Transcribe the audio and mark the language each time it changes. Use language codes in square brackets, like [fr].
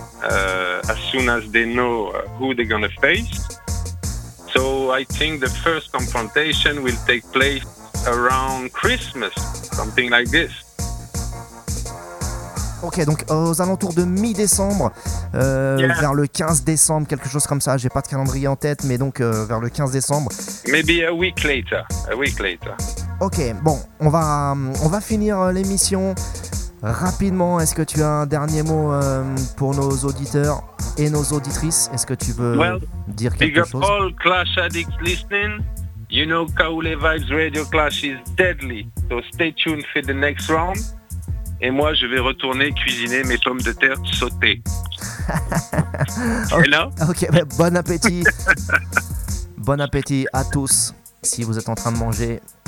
[en] as soon as they know who they're going to face. So I think the first confrontation will take place around Christmas, something like this. [fr] Ok, donc aux alentours de mi-décembre, vers le 15 décembre, quelque chose comme ça, j'ai pas de calendrier en tête, mais donc vers le 15 décembre. [en] Maybe a week later, a week later. [fr] Ok, bon, on va finir l'émission rapidement. Est-ce que tu as un dernier mot pour nos auditeurs et nos auditrices? Est-ce que tu veux dire quelque chose? [en] Well, big up all Clash addicts listening. You know Kaoulé Vibes Radio Clash is deadly, so stay tuned for the next round. [fr] Et moi, je vais retourner cuisiner mes pommes de terre sautées. Okay, bah bon appétit. Bon appétit à tous si vous êtes en train de manger.